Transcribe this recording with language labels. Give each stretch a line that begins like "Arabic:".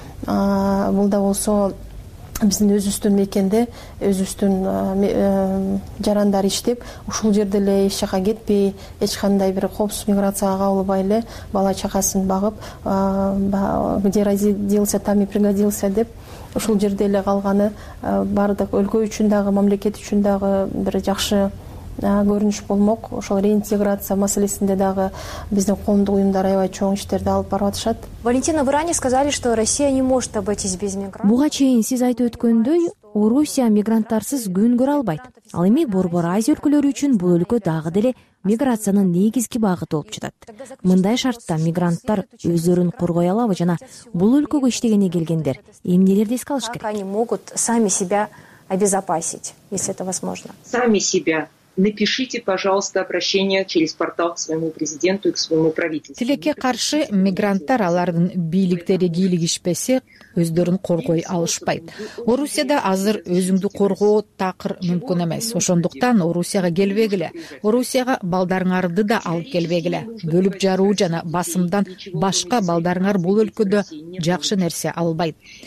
Kyrgyz: Бул да болсо биздин өзүбүздүн мекенде өзүбүздүн жарандар иштеп ушул жерде эле эч жака кетпей, эч кандай бир коопсуз миграцияга кабылбай эле бала чакасын багып,
Russian: где родился, там и пригодился
Kyrgyz: деп ушул жерде эле калганы баардык өлкө үчүн дагы, мамлекет үчүн дагы бир жакшы көрүнүш болмок. Ошол реинтеграция маселесинде дагы биздин коомдук уюмдар аябай чоң иштерди алып барып атышат.
Russian: Валентина, вы ранее сказали, что Россия не может обойтись без мигрантов.
Kyrgyz: Буга чейин сиз айтып өткөндөй, Орусия мигранттарсыз күн көрө албайт. Ал эми Борбор Азия өлкөлөрү үчүн бул өлкө дагы деле миграциянын негизги багыты болуп жатат. Мындай шартта мигранттар өздөрүн коргой алабы жана бул өлкөгө иштегенге келгендер эмнелерди эске алыш керек?
Russian: Они могут сами себя обезопасить, если это возможно. Сами себя Напишите, пожалуйста, обращение через портал к своему президенту и к своему правительству.
Kyrgyz: Тилекке каршы мигранттар алардын бийликтериге ийлигишпесе өздөрүн коргой алышпайт. Орусияда азыр өзүңдү коргоо такыр мүмкүн эмес. Ошондуктан Орусияга келбегиле. Орусияга балдарыңарды да алып келбегиле. Бөлүп жаруу жана басымдан башка балдарыңар бул өлкөдө жакшы нерсе албайт.